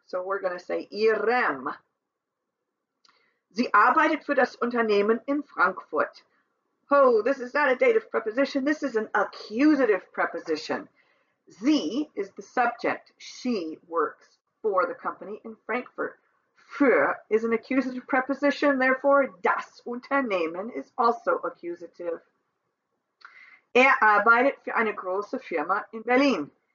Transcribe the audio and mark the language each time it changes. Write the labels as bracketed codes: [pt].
[en] So we're going to say ihrem. [de] Sie arbeitet für das Unternehmen in Frankfurt. [en] Oh, this is not a dative preposition. This is an accusative preposition. Sie is the subject. She works for the company in Frankfurt. Für is an accusative preposition. Therefore, [de] das Unternehmen [en] is also accusative. [de] Arbeitet für eine große Firma in Berlin.